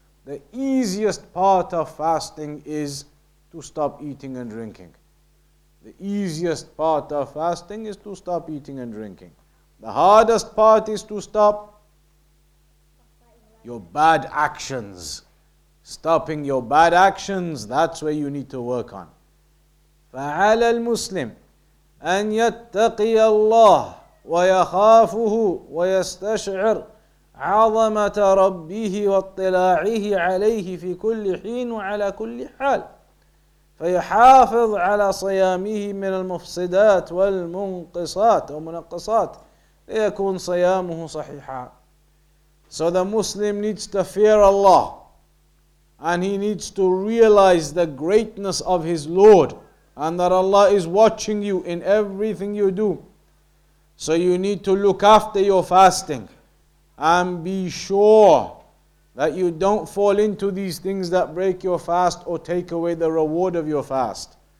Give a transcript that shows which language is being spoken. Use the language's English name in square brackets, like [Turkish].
[English] The easiest part of fasting is to stop eating and drinking. The easiest part of fasting is to stop eating and drinking. The hardest part is to stop your bad actions. Stopping your bad actions, that's where you need to work on. [Arabic] فَعَلَى الْمُسْلِمِ أَنْ يَتَّقِيَ اللَّهِ وَيَخَافُهُ وَيَسْتَشْعِرْ عَظَمَةَ رَبِّهِ وَاطِّلَاعِهِ عَلَيْهِ فِي كُلِّ حِينُ وَعَلَى كُلِّ حَالٍ فيحافظ على صيامه من المفسدات والمنقصات أو منقصات ليكون صيامه صحيحا. [English] So the Muslim needs to fear Allah, and he needs to realize the greatness of his Lord, and that Allah is watching you in everything you do. So you need to look after your fasting and be sure that you don't fall into these things that break your fast or take away the reward of your fast.